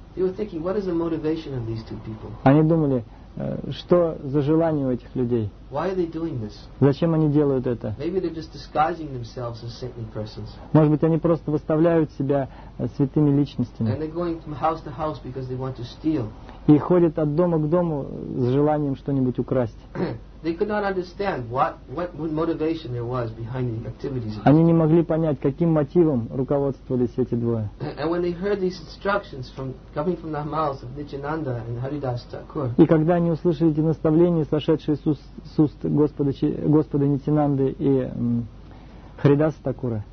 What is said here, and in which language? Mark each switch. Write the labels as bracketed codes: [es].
[en] They were thinking, what is the motivation of these two people? [ru] Они думали, что за желание у этих людей? [en] Why are they doing this? [ru] Зачем они делают это? [en] Maybe they're just disguising themselves as saintly persons. [ru] Может быть, они просто выставляют себя святыми личностями. [en] And they're going from house to house because they want to steal. [ru] И ходят от дома к дому с желанием что-нибудь украсть. [en] They could not understand what motivation there was behind the activities. [ru] Они не могли понять, каким мотивом руководствовались эти двое. [en] And when they heard these instructions from coming from the mouths of Nityananda and Haridas Thakur. [ru] И когда они услышали эти наставления, сошедшие с уст Господа Нитинанды и Харидас Такура.